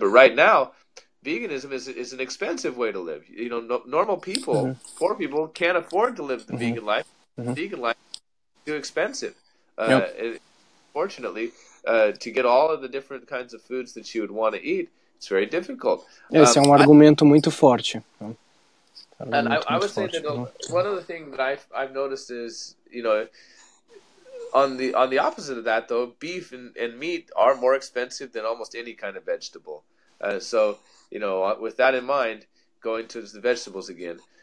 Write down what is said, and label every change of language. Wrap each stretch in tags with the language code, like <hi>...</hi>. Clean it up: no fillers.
<en>But right now, veganism is an expensive way to live. You know, normal people, mm-hmm. poor people, can't afford to live the mm-hmm. vegan life. Mm-hmm. Vegan life is too expensive. Fortunately, to get all of the different kinds of foods that you would want to eat, it's very difficult.</en> <pt>Esse é um argumento muito forte.</pt> <en>And I would say that one of the things that I've noticed is, you know, on the opposite of that, though, beef and meat are more expensive than almost any kind of vegetable. So, you know, with that in mind, going to the vegetables again.</en>